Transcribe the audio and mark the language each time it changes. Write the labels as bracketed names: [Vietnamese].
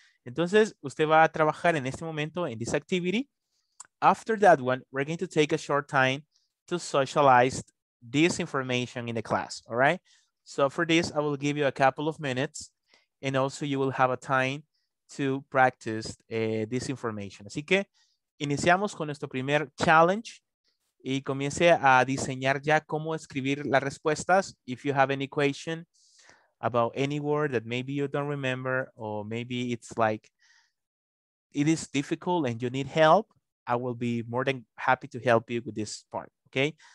[Spanish] Entonces, usted va a trabajar en este momento en [English] this activity. After that one, we're going to take a short time to socialize this information in the class, all right? So for this, I will give you a couple of minutes and also you will have a time to practice this information. [Spanish] Así que iniciamos con nuestro primer challenge y comience a diseñar ya cómo escribir las respuestas. [English] If you have any question about any word that maybe you don't remember, or maybe it's like, it is difficult and you need help, I will be more than happy to help you with this part, okay?